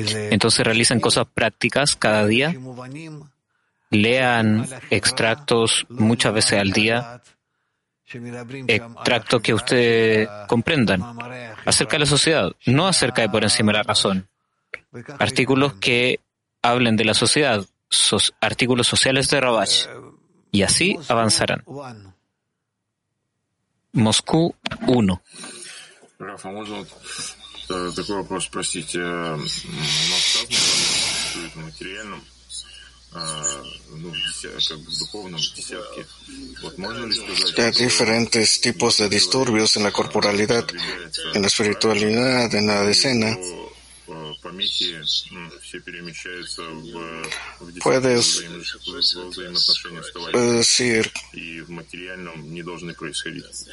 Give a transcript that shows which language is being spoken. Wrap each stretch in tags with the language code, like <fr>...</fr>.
<es>Entonces realizan cosas prácticas cada día, lean extractos muchas veces al día, extractos que ustedes comprendan acerca de la sociedad, no acerca de por encima de la razón. Artículos que hablen de la sociedad, artículos sociales de Rabash, y así avanzarán. Moscú 1.</es> <ru>Раф, а можно такой вопрос спросить? Но сказано, что в материальном, ну, как бы духовном десятке, вот можно ли сказать...</ru> <es>Hay diferentes tipos de disturbios en la corporalidad, en la espiritualidad, en la decena.</es> <ru>помехи все перемещаются в взаимоотношения с товарищем. И в материальном не должны происходить.</ru>